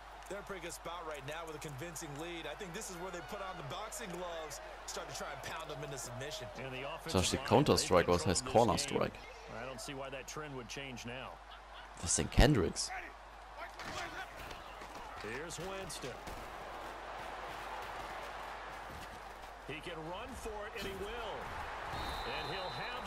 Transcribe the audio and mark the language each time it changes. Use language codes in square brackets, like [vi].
[en] They're pretty good spot right now with a convincing lead. I think this is where they put on the boxing gloves, start to try and pound them into submission. [de] Das ist die Counter Strike, was heißt Corner Strike? [en] I don't see why that trend would change now. [de] Was denn Kendricks? [en] Here's Winston. He can run for it and he will.